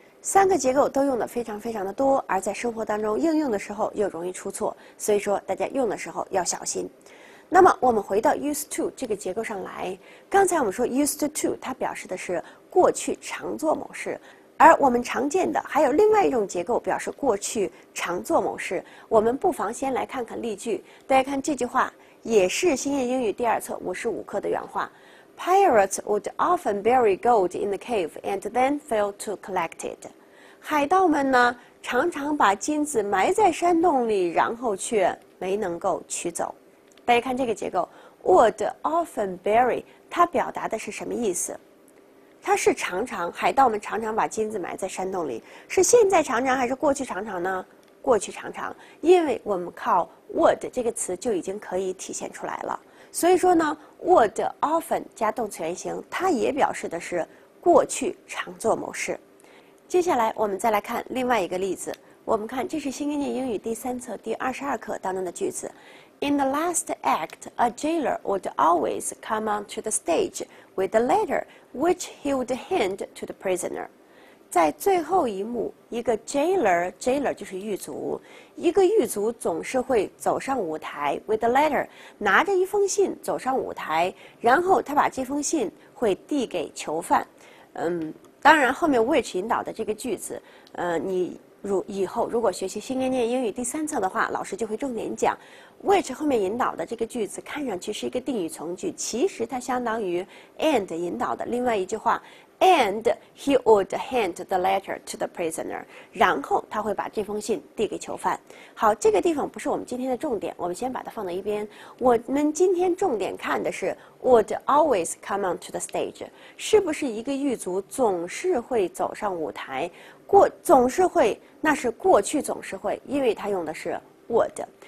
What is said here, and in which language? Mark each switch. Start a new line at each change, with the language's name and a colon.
Chinese: 三个结构都用的非常非常的多，而在生活当中应用的时候又容易出错，所以说大家用的时候要小心。那么我们回到 used to 这个结构上来，刚才我们说 used to 它表示的是过去常做某事，而我们常见的还有另外一种结构表示过去常做某事。我们不妨先来看看例句，大家看这句话。也是新业英语第二册55课的原话
English: ，Pirates would often bury gold in the cave and then fail to collect it。
Chinese: 海盗们呢，常常把金子埋在山洞里，然后却没能够取走。大家看这个结构 ，
English: would often bury，
Chinese: 它表达的是什么意思？它是常常，海盗们常常把金子埋在山洞里，是现在常常还是过去常常呢？过去常常，因为我们靠 would 这个词就已经可以体现出来了。所以说呢 ，would often 加动词原形，它也表示的是过去常做某事。接下来我们再来看另外一个例子。我们看，这是新概念英语第三册第22课当中的句子
English: ：In the last act, a jailer would always come onto the stage with a letter, which he would hand to the prisoner。
Chinese: 在最后一幕，一个 jailer 就是狱卒，一个狱卒总是会走上舞台
English: with a letter，
Chinese: 拿着一封信走上舞台，然后他把这封信会递给囚犯。当然后面 which 引导的这个句子，你以后如果学习新概念英语第三册的话，老师就会重点讲 which 后面引导的这个句子，看上去是一个定语从句，其实它相当于 and 引导的另外一句话。
English: And he would hand the letter to the prisoner.
Chinese: 然后他会把这封信递给囚犯。好，这个地方不是我们今天的重点，我们先把它放到一边。我们今天重点看的是
English: would always come onto the stage，
Chinese: 是不是一个狱卒总是会走上舞台？总是会，那是过去总是会，因为他用的是 would。